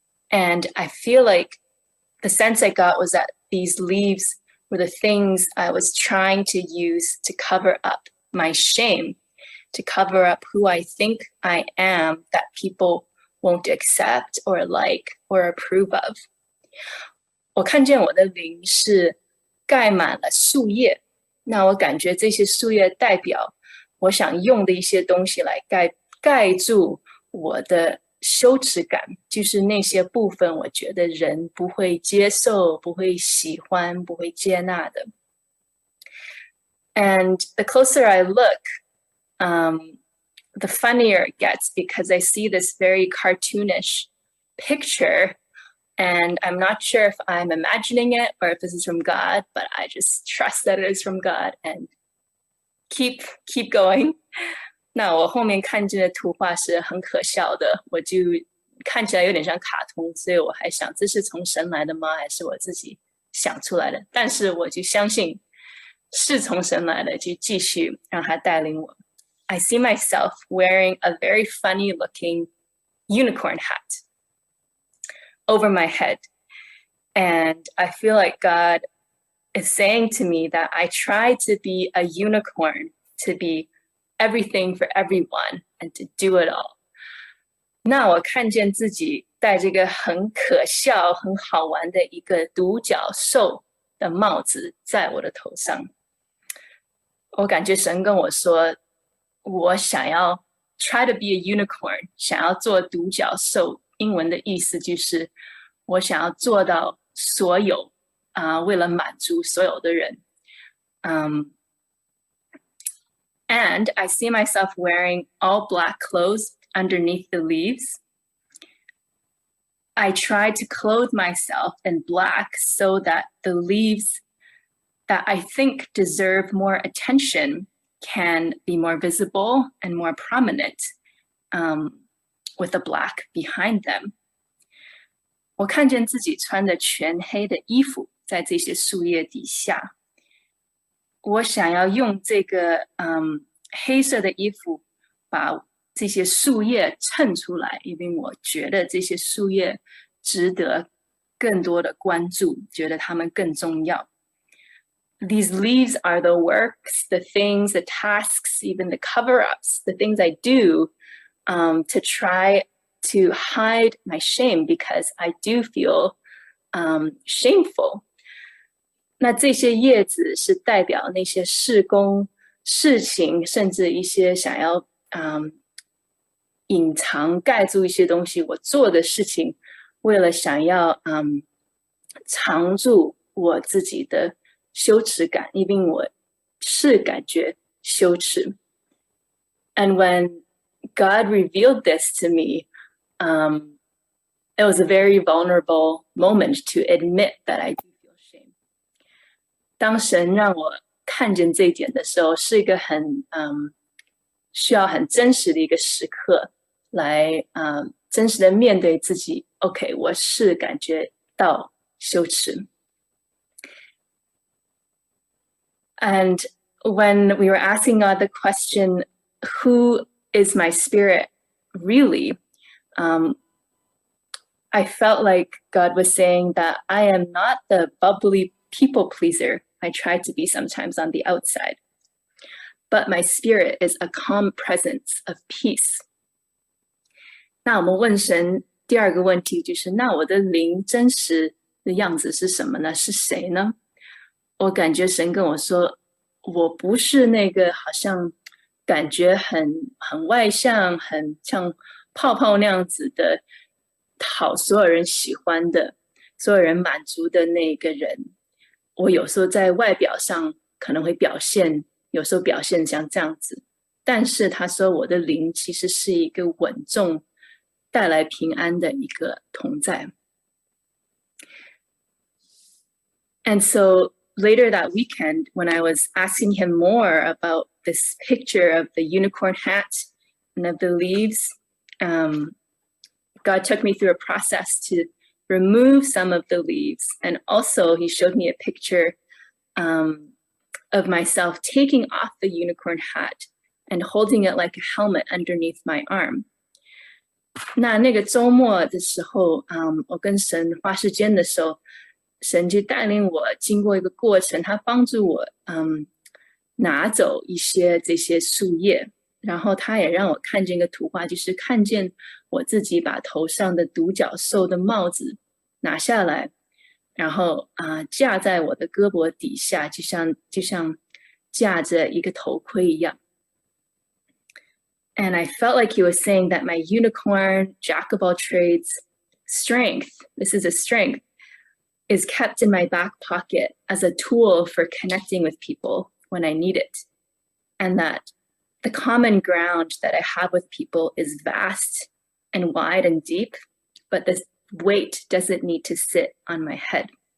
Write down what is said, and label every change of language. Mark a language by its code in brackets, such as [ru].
[en] And I feel like the sense I got was that these leaves were the things I was trying to use to cover up my shame. To cover up who I think I am that people won't accept or like or approve of. [zh] 我看见我的灵是盖满了树叶，那我感觉这些树叶代表我想用的一些东西来盖住我的羞耻感，就是那些部分我觉得人不会接受、不会喜欢、不会接纳的。 [en] And the closer I look,the funnier it gets because I see this very cartoonish picture and I'm not sure if I'm imagining it or if this is from God, but I just trust that it is from God and keep going. [zh] 那我后面看见的图画是很可笑的，我就看起来有点像卡通，所以我还想这是从神来的吗？还是我自己想出来的？但是我就相信是从神来的，就继续让他带领我。 [en] I see myself wearing a very funny-looking unicorn hat over my head. And I feel like God is saying to me that I try to be a unicorn, to be everything for everyone, and to do it all. [zh] 那我看见自己戴这个很可笑、很好玩的一个独角兽的帽子在我的头上。我感觉神跟我说我想要 [en] try to be a unicorn, [zh] 想要做独角兽，英文的意思就是我想要做到所有、为了满足所有的人。 [en] And I see myself wearing all black clothes underneath the leaves. I try to clothe myself in black so that the leaves that I think deserve more attention. Can be more visible and more prominent, with a black behind them. [zh] 我看见自己穿着全黑的衣服在这些树叶底下。我想要用这个黑色的衣服把这些树叶衬出来，因为我觉得这些树叶值得更多的关注，觉得它们更重要。 [en] These leaves are the works, the things, the tasks, even the cover-ups, the things I do to try to hide my shame because I do feel shameful. [zh] 那这些叶子是代表那些事工、事情，甚至一些想要隐藏、盖住一些东西，我做的事情，为了想要藏住我自己的羞耻感，因为我是感觉羞耻。 [en] And when God revealed this to me, it was a very vulnerable moment to admit that I do feel shame. [zh] 当神让我看见这一点的时候，是一个很需要很真实的一个时刻来真实的面对自己。 OK, 我是感觉到羞耻。 [en] And when we were asking God the question, who is my spirit really? I felt like God was saying that I am not the bubbly people pleaser I try to be sometimes on the outside, but my spirit is a calm presence of peace. [zh] 那我们问神第二个问题就是，那我的灵真实的样子是什么呢？是谁呢？我感觉神跟我说，我不是那个好像感觉很外向，很像泡泡那样子的，讨所有人喜欢的，所有人满足的那个人。我有时候在外表上可能会表现，有时候表现像这样子。但是他说我的灵其实是一个稳重，带来平安的一个同在。 [en] And so,later that weekend, when I was asking him more about this picture of the unicorn hat and of the leaves, God took me through a process to remove some of the leaves. And also, he showed me a picture of myself taking off the unicorn hat and holding it like a helmet underneath my arm. [zh] 那个周末的时候，我跟神花时间的时候，神就带领我经过一个过程，他帮助我拿走一些这些树叶，然后他也让我看见一个图画，就是看见我自己把头上的独角兽的帽子拿下来，然后架在我的胳膊底下，就像架着一个头盔一样。 [en] And I felt like he was saying that my unicorn jack of all trades strength, this is a strengthis kept in my back pocket as a tool for connecting with people when I need it. And that the common ground that I have with people is vast and wide and deep, but this weight doesn't need to sit on my head.